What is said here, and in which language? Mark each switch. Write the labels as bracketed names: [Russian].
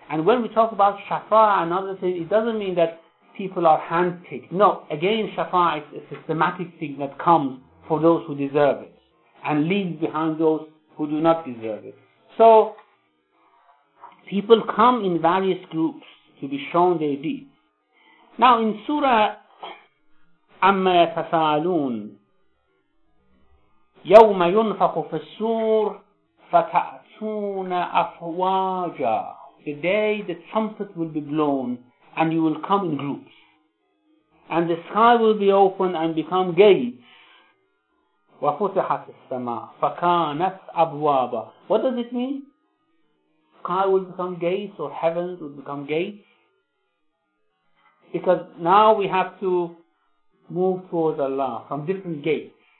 [English] And when we talk about shafa and other things, it doesn't mean that people are handpicked. No, again, shafa is a systematic thing that comes for those who deserve it and leaves behind those who do not deserve it. So, people come in various groups to be shown their deeds. Now, in Surah Amma Yatasaalun, [Arabic] يَوْمَ يُنْفَقُ فِي السُّورِ فَتَأْتُونَ أَفْوَاجًا. [English] The day the trumpet will be blown and you will come in groups. And the sky will be open and become gates. [Arabic] وَفُتِحَتِ السَّمَاءُ فَكَانَتْ أَبْوَابًا. [English] What does it mean? Sky will become gates or heavens will become gates? Because now we have to move towards Allah from different gates.